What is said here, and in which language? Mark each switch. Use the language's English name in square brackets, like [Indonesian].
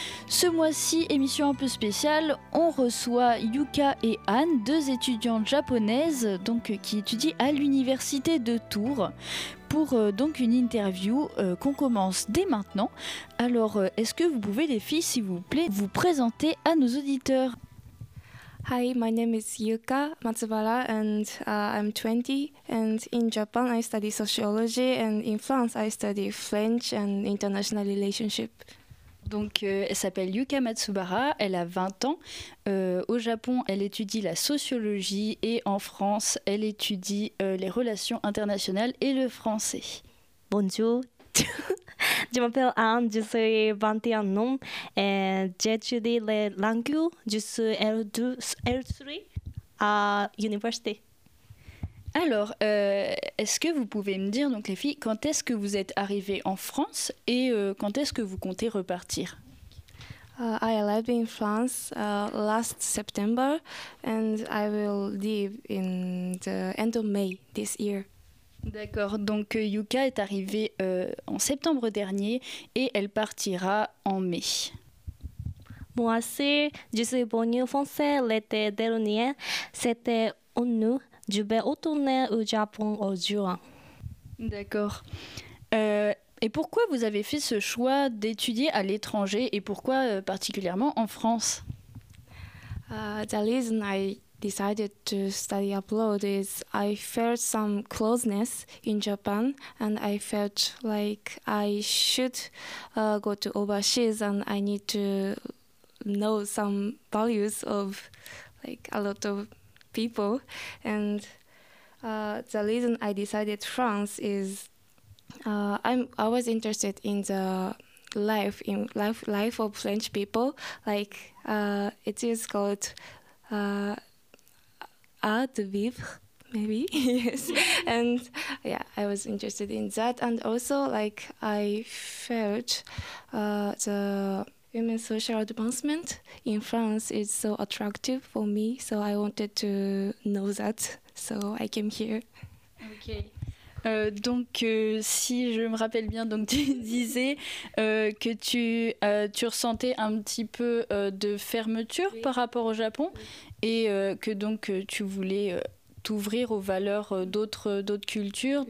[French] Ce mois-ci, émission un peu spéciale, on reçoit Yuka et Anne, deux étudiantes japonaises donc, qui étudient à l'université de Tours, pour donc une interview qu'on commence dès maintenant. Alors, est-ce que vous pouvez les filles, s'il vous plaît, vous présenter à nos auditeurs ? [English] Hi, my name is Yuka Matsubara and I'm 20 and in Japan I study sociology and in France I study French and international relationship. [French] Donc elle s'appelle Yuka Matsubara, elle a 20 ans. Au Japon, elle étudie la sociologie et en France, elle étudie les relations internationales et le français. Bonjour. Je m'appelle Anne, je suis 21 ans et j'étudie les langues, je suis L2, L3 à l'université. Alors, est-ce que vous pouvez me dire, donc les filles, quand est-ce que vous êtes arrivées en France et quand est-ce que vous comptez repartir? [English] I arrived in France last September and I will leave in the end of May this year. [French] D'accord, donc Yuka est arrivée en septembre dernier et elle partira en mai. Moi aussi, je suis venue en France l'été dernier, c'était en août. Je vais retourner au Japon en juin. D'accord. Et pourquoi vous avez fait ce choix d'étudier à l'étranger et pourquoi particulièrement en France? [English] The reason I decided to study abroad is I felt some closeness in Japan and I felt like I should go to overseas and I need to know some values of like a lot of people. And the reason I decided France is I was interested in the life of French people. Like it is called art de vivre, maybe. Yes. And yeah, I was interested in that. And also, like, I felt the women's social advancement in France is so attractive for me. So I wanted to know that. So I came here. Okay. [French] Donc, si je me rappelle bien, donc tu disais que tu ressentais un petit peu de fermeture, oui, par rapport au Japon, oui, et que donc tu voulais t'ouvrir aux valeurs d'autres cultures. Oui.